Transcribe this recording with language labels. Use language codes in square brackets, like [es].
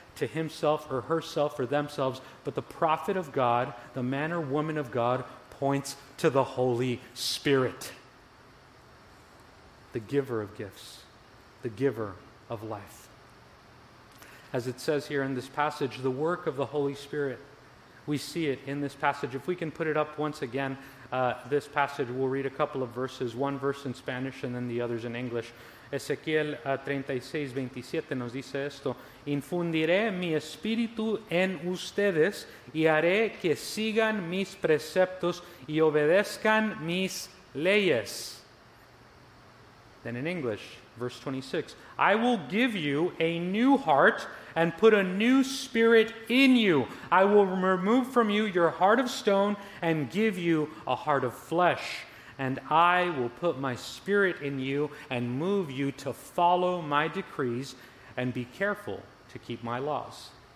[en] to himself or herself or themselves, but the prophet of God, the man or woman of God, points to the Holy Spirit, the giver of gifts, the giver of life. As it says here in this passage, the work of the Holy Spirit, we see it in this passage. If we can put it up once again, this passage, we'll read a couple of verses, one verse in Spanish and then the others in English. [es] Ezequiel 36:27 nos dice esto: infundiré mi espíritu en ustedes y haré que sigan mis preceptos y obedezcan mis leyes. [en] Then in English, verse 26, I will give you a new heart and put a new spirit in you. I will remove from you your heart of stone and give you a heart of flesh. And I will put my spirit in you and move you to follow my decrees and be careful to keep my laws.